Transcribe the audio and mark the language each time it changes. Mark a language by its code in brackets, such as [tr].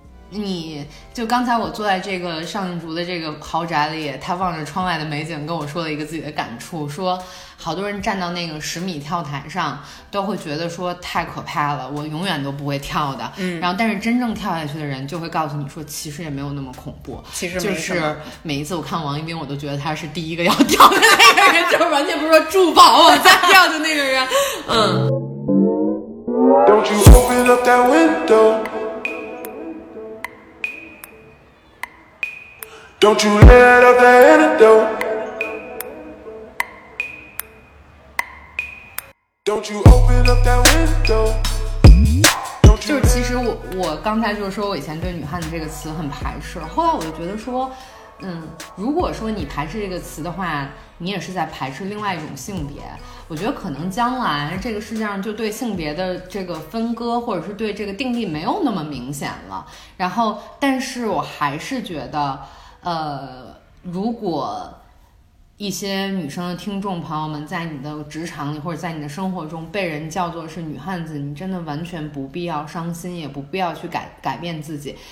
[zh] 你就刚才我坐在这个上映竹的这个豪宅里，他望着窗外的美景跟我说了一个自己的感触，说好多人站到那个十米跳台上都会觉得说太可怕了，我永远都不会跳的。嗯，然后但是真正跳下去的人就会告诉你说，其实也没有那么恐怖，其实没，就是每一次我看王一冰，我都觉得他是第一个要跳的那个人，就是完全不是说助跑我再跳的那个人。 [en] Don't you open up that window，Don't you let out that antidote. Don't you open up that window. [zh] 就是其实我刚才就是说我以前对女汉子这个词很排斥，后来我就觉得说，嗯，如果说你排斥这个词的话，你也是在排斥另外一种性别。我觉得可能将来这个世界上就对性别的这个分割或者是对这个定义没有那么明显了，然后但是我还是觉得如果一些女生的听众朋友们在你的职场里或者在你的生活中被人叫做是女汉子，你真的完全不必要伤心，也不必要去改变自己。